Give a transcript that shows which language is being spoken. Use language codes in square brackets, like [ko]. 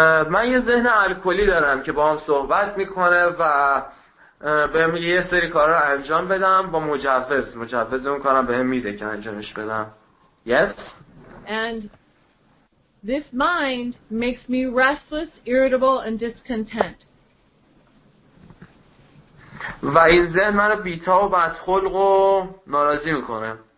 [fa] من یه ذهن الکلی دارم که با هم صحبت میکنه و به هم یه سری کار رو انجام بدم با مجوز اون کارم به هم میده که انجامش بدم. [en] Yes. And this mind makes me restless, irritable and discontent. [fa] و این ذهن من رو بیتاب و بدخلق و ناراضی میکنه.